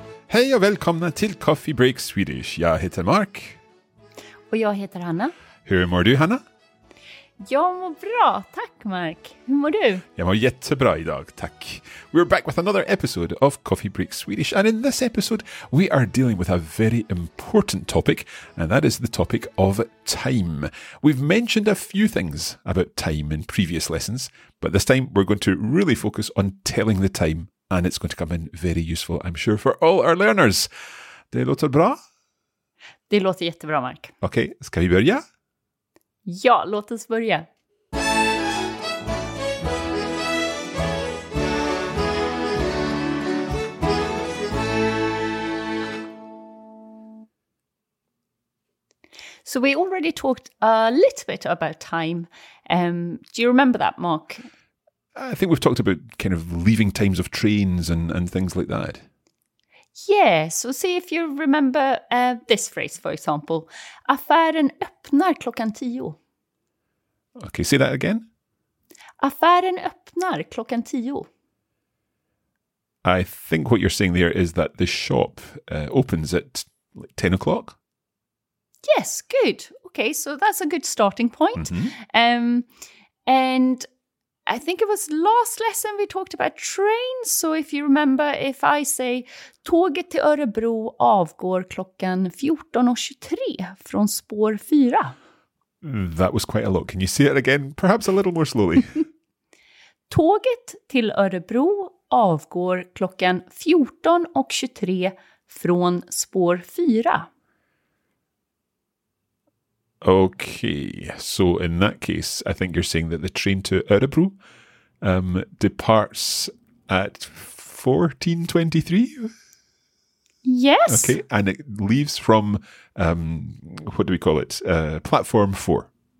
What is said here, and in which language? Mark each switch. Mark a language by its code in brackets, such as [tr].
[sv] Hej och välkomna till Coffee Break Swedish. Jag heter Mark. Och jag heter Hanna. Hur mår du, Hanna? Jag mår bra, tack Mark. Hur mår du? Jag mår jättebra idag, tack. [en] We're back with another episode of Coffee Break Swedish. And in this episode, we are dealing with a very important topic, and that is the topic of time. We've mentioned a few things about time in previous lessons, but this time we're going to really focus on telling the time. And it's going to come in very useful, I'm sure, for all our learners. [sv] Det låter bra? Det låter jättebra, Mark. Okej, ska vi börja? Ja, låt oss börja. [en] So we already talked a little bit about time. Do you remember that, Mark? I think we've talked about kind of leaving times of trains and things like that. Yeah, so see if you remember this phrase, for example. [sv] Affären öppnar klockan tio. [en] Okay, say that again. [sv] Affären öppnar klockan tio. [en] I think what you're saying there is that the shop opens at like 10 o'clock. Yes, good. Okay, so that's a good starting point. Mm-hmm. And I think it was last lesson we talked about trains. So if you remember, if I say [sv] tåget till Örebro avgår klockan 14.23 från spår 4. [en] That was quite a lot. Can you say it again? Perhaps a little more slowly. [sv] Tåget till Örebro avgår klockan 14.23 från spår 4. [en] Okay, so in that case, I think you're saying that the train to Örebro departs at 14.23? Yes. Okay, and it leaves from, what do we call it, platform 4.